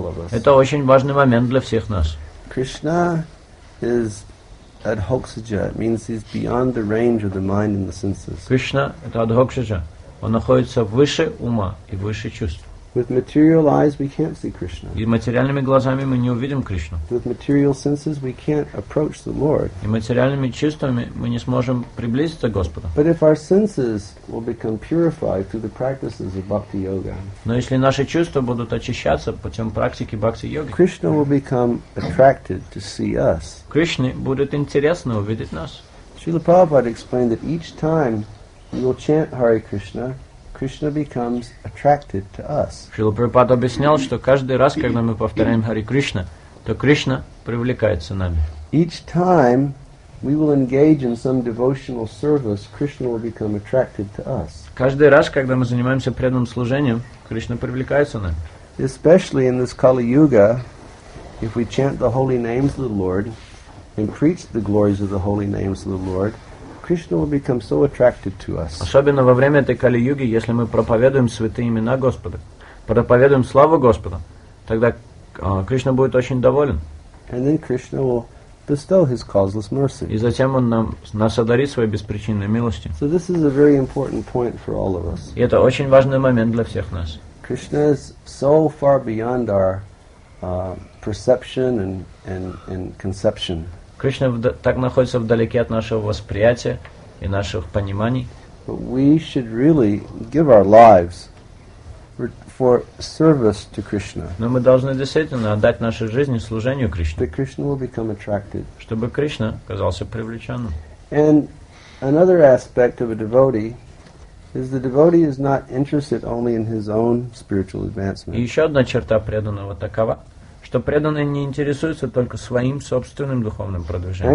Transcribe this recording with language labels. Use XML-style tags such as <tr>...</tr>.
<ru>Это очень важный момент для всех нас.</ru> <en>Krishna is adhokshaja, means he's beyond the range of the mind and the senses.</en> <ru>Кришна это адхокшаджа. Он находится выше ума и выше чувств.</ru> <en>With material eyes, we can't see Krishna.</en> <ru>И материальными глазами мы не увидим Кришну.</ru> <en>With material senses, we can't approach the Lord.</en> <ru>И материальными чувствами мы не сможем приблизиться к Господу.</ru> <en>But if our senses will become purified through the practices of Bhakti Yoga.</en> <ru>Но если наши чувства будут очищаться путем практики Бхакти Йоги.</ru> <en>Krishna will become attracted to see us.</en> <ru>Кришне будет интересно увидеть нас.</ru> <en>Srila Prabhupada explained that each time we will chant Hare Krishna. Krishna becomes attracted to us.</en> <ru>Шрила Прабхупада объяснял, что каждый раз, когда мы повторяем Хари Кришна, то Кришна привлекается нами.</ru> <en>Each time we will engage in some devotional service, Krishna will become attracted to us.</en> <ru>Каждый раз, когда мы занимаемся преданным служением, Кришна привлекается нами.</ru> <en>Especially in this Kali Yuga, if we chant the holy names of the Lord and preach the glories of the holy names of the Lord, Krishna will become so attracted to us.</en> <ru>Особенно во время этой Кали-юги, если мы проповедуем святые имена Господа, проповедуем славу Господа, тогда Кришна будет очень доволен.</ru> <en>And then Krishna will bestow his causeless mercy.</en> <ru>И затем он нас одарит своей беспричинной милостью.</ru> <en>So this is a very important point for all of us.</en> <ru>И это очень важный момент для всех нас.</ru> <en>Krishna is so far beyond our perception and conception.</en> <ru>Кришна так находится вдалеке от нашего восприятия и наших пониманий.</ru> <en>But we should really give our lives for service to Krishna.</en> <ru>Но мы должны действительно отдать наши жизни служению Кришне.</ru> <en>That Krishna will become attracted.</en> <ru>Чтобы Кришна казался привлеченным.</ru> <en>And another aspect of a devotee is the devotee is not interested only in his own spiritual advancement.</en> <ru>И еще одна черта преданного такова. Что преданный не интересуется только своим собственным духовным продвижением.</ru>